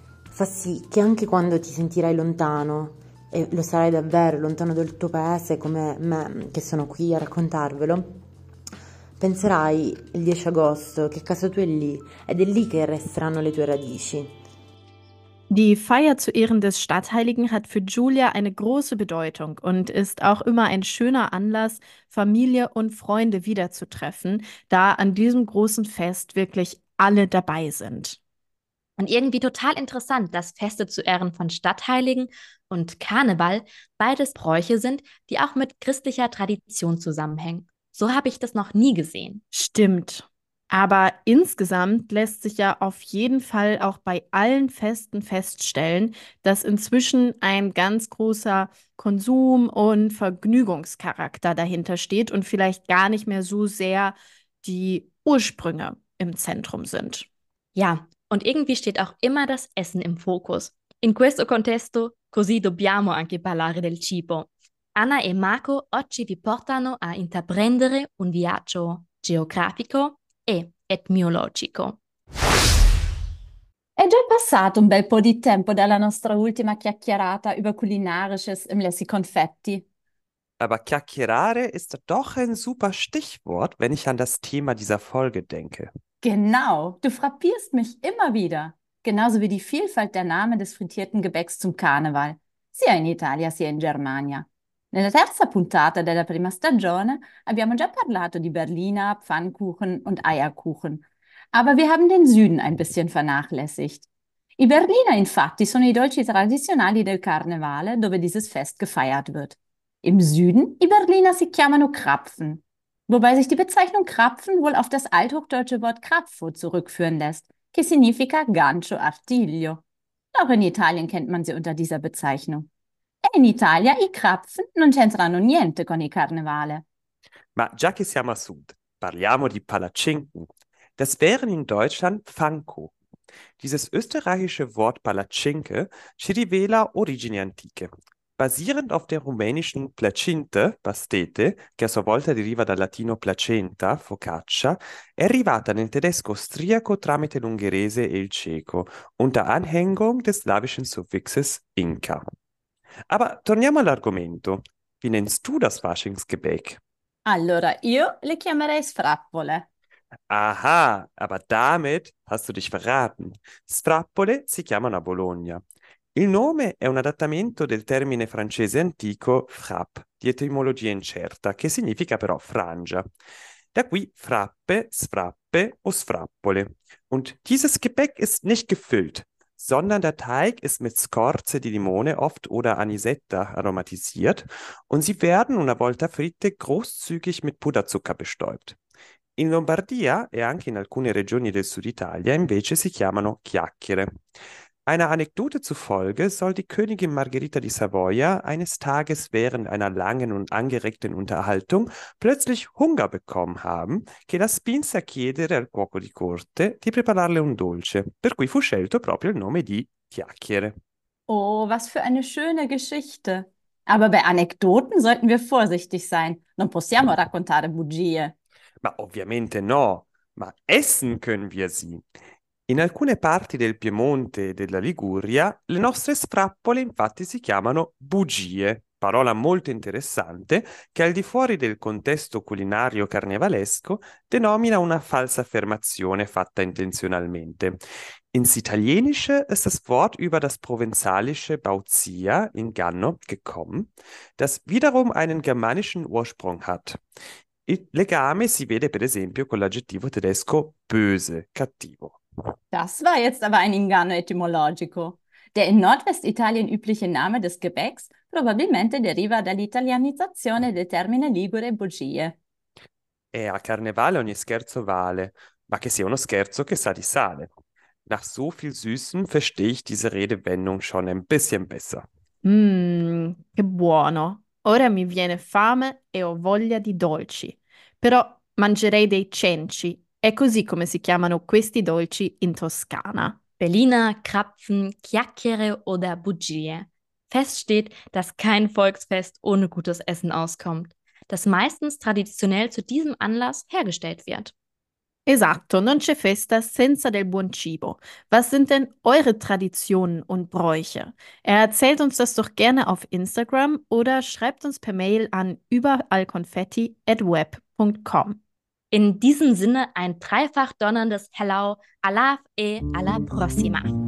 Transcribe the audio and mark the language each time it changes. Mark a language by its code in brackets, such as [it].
[it] Fa sì che anche quando ti sentirai lontano, e lo sarai davvero lontano dal tuo paese come me che sono qui a raccontarvelo, penserai il 10 agosto che casa tua è lì ed è lì che resteranno le tue radici. [de] Die Feier zu Ehren des Stadtheiligen hat für Julia eine große Bedeutung und ist auch immer ein schöner Anlass, Familie und Freunde wiederzutreffen, da an diesem großen Fest wirklich alle dabei sind. Und irgendwie total interessant, dass Feste zu Ehren von Stadtheiligen und Karneval beides Bräuche sind, die auch mit christlicher Tradition zusammenhängen. So habe ich das noch nie gesehen. Stimmt. Aber insgesamt lässt sich ja auf jeden Fall auch bei allen Festen feststellen, dass inzwischen ein ganz großer Konsum- und Vergnügungscharakter dahinter steht und vielleicht gar nicht mehr so sehr die Ursprünge im Zentrum sind. Ja, und irgendwie steht auch immer das Essen im Fokus. [it] In questo contesto, così dobbiamo anche parlare del cibo. Anna e Marco oggi vi portano a intraprendere un viaggio geografico e etnologico. È già passato un bel po' di tempo dalla nostra ultima chiacchierata [de] über Kulinarisches im Lessi-Confetti. Aber chiacchierare ist doch ein super Stichwort, wenn ich an das Thema dieser Folge denke. Genau, du frappierst mich immer wieder. Genauso wie die Vielfalt der Namen des frittierten Gebäcks zum Karneval. [it] Sia in Italia, sia in Germania. Nella terza puntata della prima stagione abbiamo già parlato di Berliner, Pfannkuchen und Eierkuchen. [de] Aber wir haben den Süden ein bisschen vernachlässigt. [it] I Berliner infatti sono i dolci tradizionali del carnevale dove [de] dieses Fest gefeiert wird. Im Süden [it] i Berliner si chiamano Krapfen. [de] Wobei sich die Bezeichnung Krapfen wohl auf das althochdeutsche Wort Krapfo zurückführen lässt, [it] che significa gancio artiglio. [de] Auch in Italien kennt man sie unter dieser Bezeichnung. [it] In Italia i Krapfen non c'entrano niente con il carnevale. Ma già che siamo a sud, parliamo di Palacinken. [de] Das wären in Deutschland Pfannkuchen. Dieses österreichische Wort [it] Palacinke ci rivela origini antiche. [de] Basierend auf der rumänischen Placinte, pastete, [it] che a sua volta deriva dal latino placenta, focaccia, è arrivata nel tedesco austriaco tramite l'ungherese e il ceco, [de] unter Anhängung des slavischen Suffixes Inka. [it] Aber torniamo all'argomento. [de] Wie nennst du das Faschingsgebäck? [it] Allora, io le chiamerei Sfrappole. [de] Aha, aber damit hast du dich verraten. [it] Sfrappole si chiamano a Bologna. Il nome è un adattamento del termine francese antico frappe, di etimologia incerta, che significa però frangia. Da qui frappe, sfrappe o sfrappole. [de] Und dieses Gebäck ist nicht gefüllt. Sondern der Teig ist mit Skorze di limone oft oder Anisetta aromatisiert und sie werden [it] una volta fritte [de] großzügig mit Puderzucker bestäubt. [it] In Lombardia e anche in alcune regioni del sud Italia invece si chiamano chiacchiere. [de] Einer Anekdote zufolge soll die Königin Margherita di Savoia eines Tages während einer langen und angeregten Unterhaltung plötzlich Hunger bekommen haben, [it] che la spinse a chiedere al cuoco di corte di prepararle un dolce, per cui fu scelto proprio il nome di Chiacchiere. [de] Oh, was für eine schöne Geschichte. Aber bei Anekdoten sollten wir vorsichtig sein. [it] Non possiamo raccontare bugie. Ma ovviamente no, ma [de] essen können wir sie. [it] In alcune parti del Piemonte e della Liguria, le nostre sfrappole infatti si chiamano bugie, parola molto interessante che al di fuori del contesto culinario carnevalesco denomina una falsa affermazione fatta intenzionalmente. [de] Ins Italienische ist das Wort über das provenzalische Bauzia, inganno, gekommen, das wiederum einen germanischen Ursprung hat. [it] Il legame si vede per esempio con l'aggettivo tedesco böse, cattivo. [de] Das war jetzt aber ein [it] inganno etimologico. [de] Der in Nordwestitalien übliche Name des Gebäcks [it] probabilmente deriva dall'italianizzazione del termine ligure bugie. E a carnevale ogni scherzo vale, ma che sia uno scherzo che sa di sale. [de] Nach so viel Süßem verstehe ich diese Redewendung schon ein bisschen besser. [it] Che buono. Ora mi viene fame e ho voglia di dolci. Però mangerei dei cenci. È così come si chiamano questi dolci in Toscana. [de] Berliner Krapfen, Chiacchiere oder Bugie. Fest steht, dass kein Volksfest ohne gutes Essen auskommt, das meistens traditionell zu diesem Anlass hergestellt wird. [it] Esatto, non c'è festa senza del buon cibo. [de] Was sind denn eure Traditionen und Bräuche? Erzählt uns das doch gerne auf Instagram oder schreibt uns per Mail an überallkonfetti@web.com. In diesem Sinne ein dreifach donnerndes Hello, alaf [it] e alla prossima.